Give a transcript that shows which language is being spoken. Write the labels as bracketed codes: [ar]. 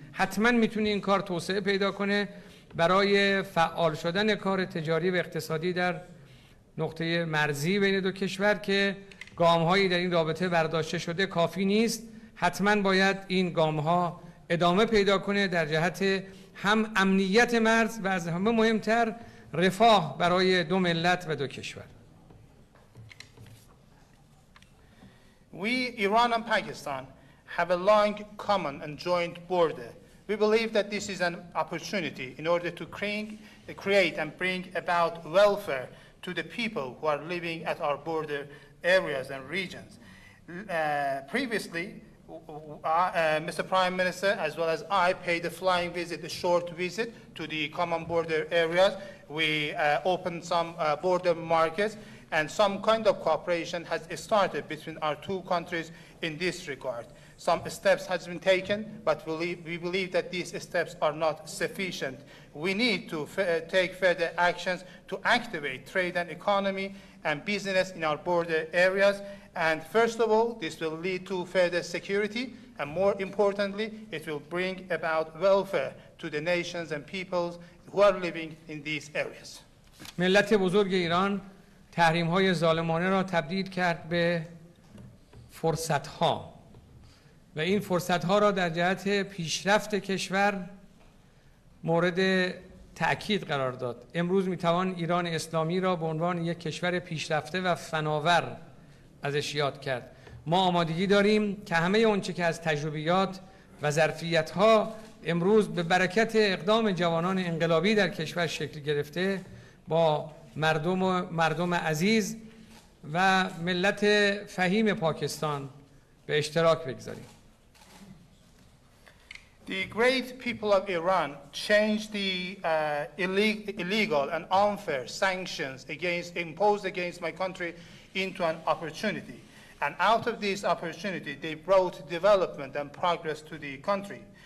[fa] حتما میتونه این کار توسعه پیدا کنه برای فعال شدن کار تجاری و اقتصادی در نقطه مرزی بین دو کشور که گام‌هایی در این رابطه برداشته شده کافی نیست. حتما باید این گام‌ها ادامه پیدا کنه در جهت هم امنیت مرز و از همه مهمتر رفاه برای دو ملت و دو کشور. [en] We Iran and Pakistan have a long common and joint border. We believe that this is an opportunity in order to create and bring about welfare to the people who are living at our border areas and regions. Previously, Mr. Prime Minister, as well as I, paid a flying visit, a short visit to the common border areas. We opened some border markets, and some kind of cooperation has started between our two countries in this regard. Some steps has been taken, but we believe that these steps are not sufficient. We need to take further actions to activate trade and economy and business in our border areas. And first of all, this will lead to further security, and more importantly, it will bring about welfare to the nations and peoples who are living in these areas. [fa] ملت بزرگ ایران تحریم‌های ظالمانه را تبدیل کرد به فرصت‌ها و این فرصت‌ها را در جهت پیشرفت کشور مورد تأکید قرار داد. امروز می‌توان ایران اسلامی را به عنوان یک کشور پیشرفته و فناور ازش یاد کرد. ما آمادگی داریم که همه اونچه که از تجربیات و ظرفیت‌ها امروز به برکت اقدام جوانان انقلابی در کشور شکل گرفته با مردم عزیز و ملت فهیم پاکستان به اشتراک بگذاریم. [en] The great people of Iran changed the illegal and unfair sanctions imposed against my country into an opportunity. And out of this opportunity, they brought development and progress to the country.